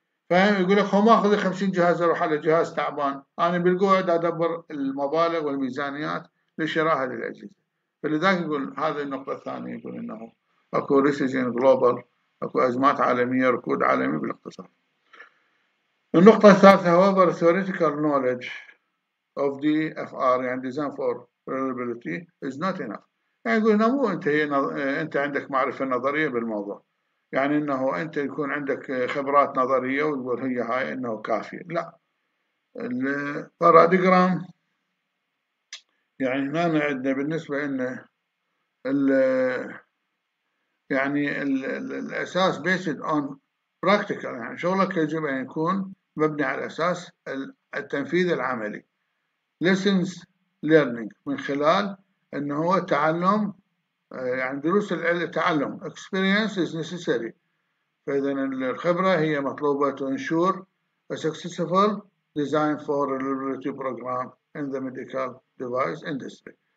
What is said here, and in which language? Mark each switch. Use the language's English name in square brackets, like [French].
[Arabic] فهم يقول لك هو ما أخذ لي 50 جهاز أروح على جهاز تعبان. أنا بالقوة أدبر المبالغ والميزانيات لشراء هذه الأجهزة. فلذلك يقول هذه النقطة الثانية يقول إنه أكو [English] recession global [Arabic] أكو أزمات عالمية ركود عالمي بالاقتصاد. النقطة الثالثة هو [English] over theoretical knowledge of the FR يعني design for reliability is not enough. [Arabic] يعني يقول مو أنت عندك معرفة نظرية بالموضوع يعني أنه أنت يكون عندك خبرات نظرية ويقول هي هاي أنه كافية. لا الباراديغرام يعني هنا عندنا بالنسبة أن يعني الأساس [English] based on practical [Arabic] يعني شغلك يجب أن يكون مبني على أساس التنفيذ العملي [English] lessons learning [Arabic] من خلال أنه هو تعلم يعني دروس التعلم [English] experience is necessary. [Arabic] فإذا الخبرة هي مطلوبة [English] to ensure a successful design for reliability program in the medical device industry.